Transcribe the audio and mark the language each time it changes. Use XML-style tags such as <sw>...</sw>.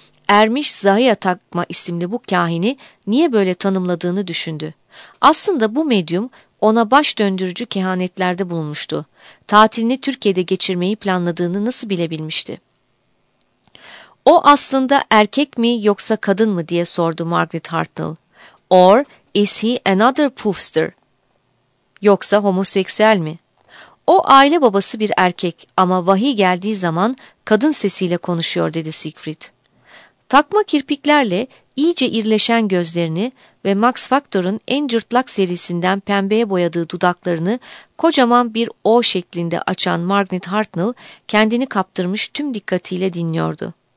<tr>Ermiş Zahiya Takma isimli bu kahini niye böyle tanımladığını düşündü. Aslında bu medyum ona baş döndürücü kehanetlerde bulunmuştu. Tatilini Türkiye'de geçirmeyi planladığını nasıl bilebilmişti? O aslında erkek mi yoksa kadın mı diye sordu Margaret Hartnell.</tr> <en>Or is he another poofster?</en> <tr>Yoksa homoseksüel mi? O aile babası bir erkek ama vahiy geldiği zaman kadın sesiyle konuşuyor dedi Siegfried. Takma kirpiklerle iyice irleşen gözlerini ve Max Factor'ın en cırtlak serisinden pembeye boyadığı dudaklarını kocaman bir O şeklinde açan Margaret Hartnell kendini kaptırmış tüm dikkatiyle dinliyordu.</tr>